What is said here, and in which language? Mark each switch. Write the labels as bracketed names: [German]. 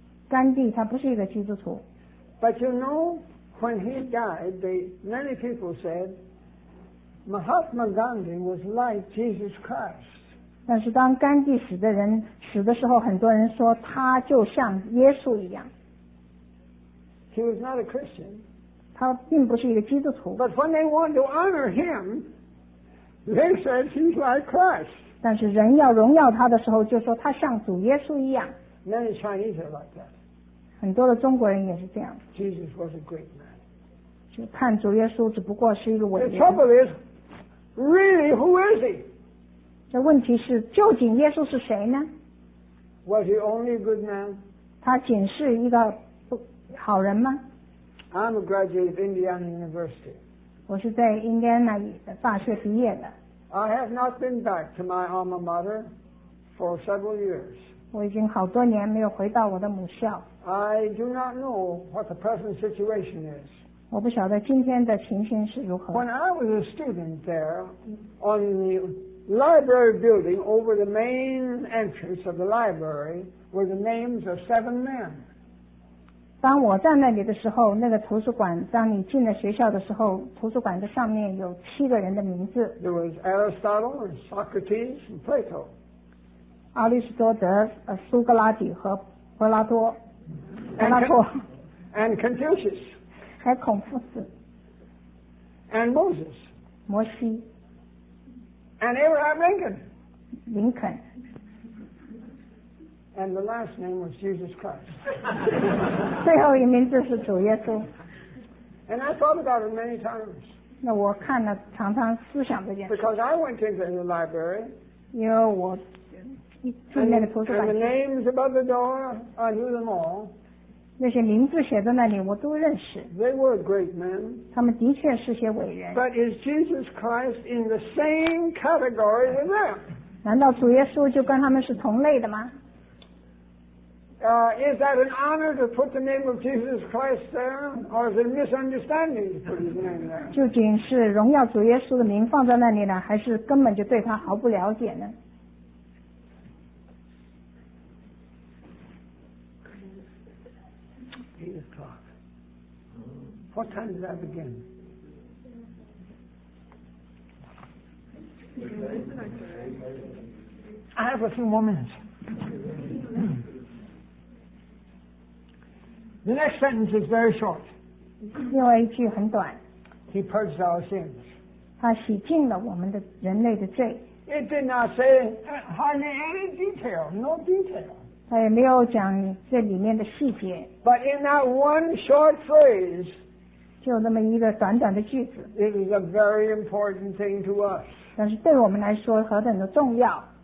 [Chinese] 甘地他不是一个基督徒。 [English] But you know, when he died, many people said Mahatma Gandhi was like Jesus Christ. [Chinese] 但是当甘地死的时候，很多人说他就像耶稣一样。 [English] He was not a Christian. [Chinese] 他并不是一个基督徒。 [English] But when they want to honor him, they said he's like Christ. [Chinese] 但是人要荣耀他的时候，就说他像主耶稣一样。 [English] Many Chinese are like that. [Chinese] 很多的中国人也是这样。 [English] Jesus was a great man. [Chinese] 就看主耶稣只不过是一个伟人。 [English] The trouble is, really, who is he? [Chinese] 这问题是，究竟耶稣是谁呢？ [English] Was he only a good man? [Chinese] 他仅是一个好人吗？ [English] I'm a graduate of Indiana University. [Chinese] 我是在 Indiana 大学毕业的。 [English] I have not been back to my alma mater for several years. [Chinese] 我已经好多年没有回到我的母校。 [English] I do not know what the present situation is. [Chinese] 我不晓得今天的情形是如何。 [English] When I was a student there on the library building over the main entrance of the library were the names of seven men. [Chinese] 当我站在那里的时候，那个图书馆，当你进了学校的时候，图书馆的上面有七个人的名字。 [English] There was Aristotle and Socrates and Plato. [Chinese] 阿里士多德、苏格拉底和柏拉托。 [English] And Confucius. [Chinese] 还有孔夫子。 [English] And Moses. [Chinese] 摩西。 [English] And Abraham Lincoln. [Chinese] 林肯。 [English] And the last name was Jesus Christ. [Chinese] 最后一名字是主耶稣。 [English] And I thought about it many times. [Chinese] 那我看了，常常思想这件事。 [English] Because I went into the library. [Chinese] 因为我进那个图书馆。 [English] And the names above the door, I knew them all. [Chinese] 那些名字写在那里，我都认识。 [English] They were great men. [Chinese] 他们的确是些伟人。 [English] But is Jesus Christ in the same category as them? [Chinese] 难道主耶稣就跟他们是同类的吗？ [English] Is that an honor to put the name of Jesus Christ there, or is it a misunderstanding to put his name there? [Chinese] 究竟是荣耀主耶稣的名放在那里呢，还是根本就对他毫不了解呢？ [English] What time does that begin? I have a few more minutes. The next sentence is very short. [Chinese] 另外一句很短。 [English] He purged our sins. [Chinese] 他洗净了我们的人类的罪。 [English] It did not say hardly any detail, no detail. [Chinese] 他也没有讲这里面的细节。 [English] But in that one short phrase, [Chinese] 就那么一个短短的句子。 [English] It is a very important thing to us. [Chinese] 但是对我们来说何等的重要。